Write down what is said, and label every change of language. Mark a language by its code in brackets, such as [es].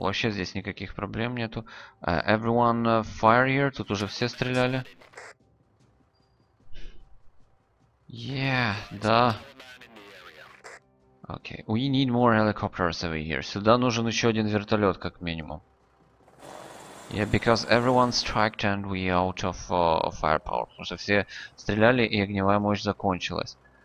[ru] Вообще здесь никаких проблем нету. [en] Everyone fire here. [ru] Тут уже все стреляли. [en] Yeah, да. Okay, we need more helicopters over here. [ru] Сюда нужен еще один вертолет, как минимум. [en] Yeah, because everyone striked and we out of firepower. [ru] Потому что все стреляли и огневая мощь закончилась.